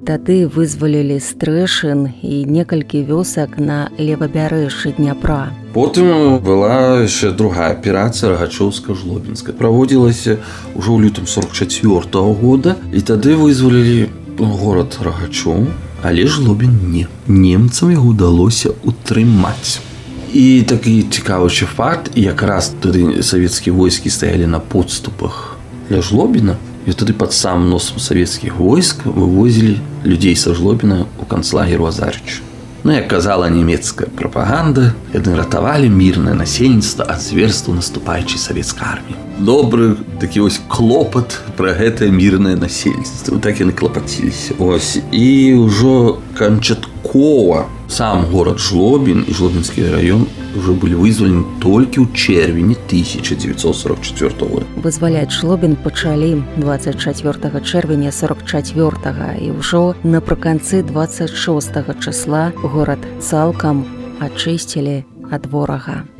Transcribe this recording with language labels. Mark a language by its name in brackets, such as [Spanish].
[Russian] Тады вызволили Стрешин и несколько вёсок на левобярэжжы Днепра. Потом была еще другая операция Рогачёвска-Жлобинская. Проводилась уже в лютом 44-го года. И тады вызволили город Рогачёв, але Жлобин не. Немцам его удалось утримать. [Ukrainian] И такий цікавий факт, якраз тоді совєтські війська стояли на підступах для Жлобина, і тоді під сам носом совєтських військ вивозили людей зі Жлобина у концлагер в Азарич. Ну, як казала німецька пропаганда, вони рятували мирне насельництво від зверства наступаючої совєтської армії. Добрий такий ось клопот про це мирне насельництво. Так вони клопотилися. Ось. І вже кінчатково [Russian] сам город Жлобин и Жлобинский район уже были вызволены только в червне 1944 года. Вызволять Жлобин почали 24 червня 44-го, и уже напроконцы 26-го числа город цалком очистили от ворога.